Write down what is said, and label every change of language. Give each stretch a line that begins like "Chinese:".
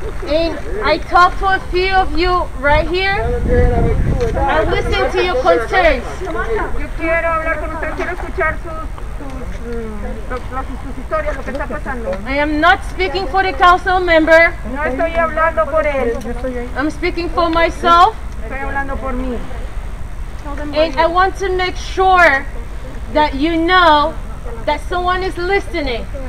English: And I talked to a few of you right here. I listened to your concerns.
Spanish: Yo quiero hablar con usted. Quiero escuchar sus historias, lo que está pasando.
English: I am not speaking for the council member.
Spanish: No estoy hablando por él.
English: I'm speaking for myself.
Spanish: Estoy hablando por mí.
English: And I want to make sure that you know that someone is listening.